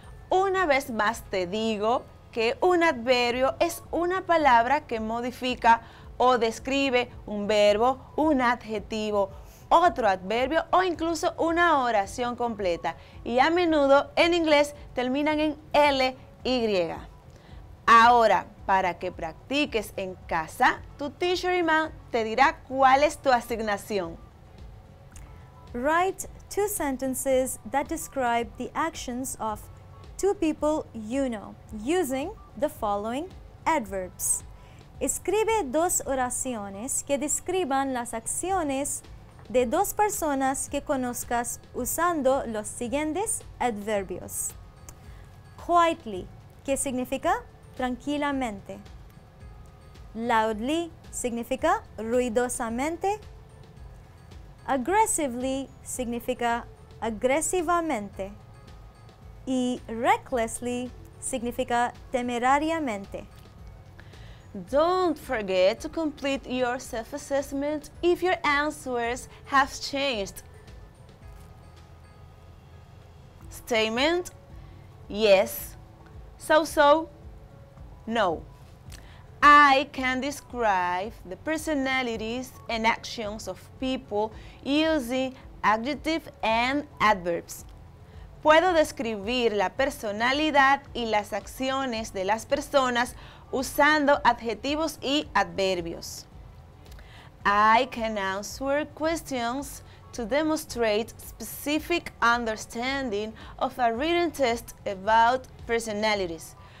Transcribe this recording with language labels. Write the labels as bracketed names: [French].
[Spanish] Una vez más te digo que un adverbio es una palabra que modifica o describe un verbo, un adjetivo, otro adverbio o incluso una oración completa. Y a menudo en inglés terminan en ly. Ahora, para que practiques en casa, tu teacher Iman te dirá cuál es tu asignación. [English] Write two sentences that describe the actions of two people you know using the following adverbs. [Spanish] Escribe dos oraciones que describan las acciones de dos personas que conozcas usando los siguientes adverbios. Quietly, que significa tranquilamente. Loudly, significa ruidosamente. Aggressively, significa agresivamente. Y recklessly, significa temerariamente. [English] Don't forget to complete your self-assessment if your answers have changed. Statement, yes. So-so, no. I can describe the personalities and actions of people using adjectives and adverbs. [Spanish] Puedo describir la personalidad y las acciones de las personas usando adjetivos y adverbios. [English] I can answer questions to demonstrate specific understanding of a written test about personalities.